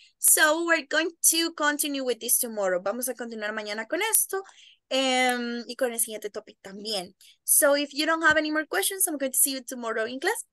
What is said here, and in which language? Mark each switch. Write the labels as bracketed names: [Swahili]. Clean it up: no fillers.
[English] So we're going to continue with this tomorrow. [Spanish] Vamos a continuar mañana con esto y con el siguiente topic también. [English] So if you don't have any more questions, I'm going to see you tomorrow in class.